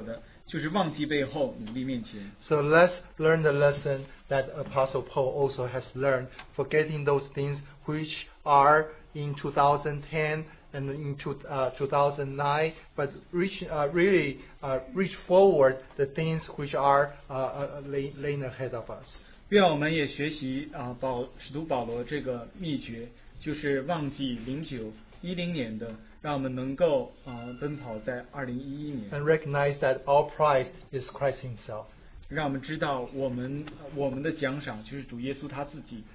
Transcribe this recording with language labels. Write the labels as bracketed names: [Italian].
[Chinese] 使徒保罗他的秘诀就是要能够得到基督所要求他得的，就是忘记背后，努力面前。 [English] So let's learn the lesson that Apostle Paul also has learned, forgetting those things which are in 2010 and in 2009, but reach forward the things which are laying ahead of us. [Chinese] 愿我们也学习, 使徒保罗这个秘诀，就是忘记09、10年的。让我们能够, [English] and recognize that our prize is Christ Himself. [Chinese] 让我们知道我们的奖赏就是主耶稣他自己。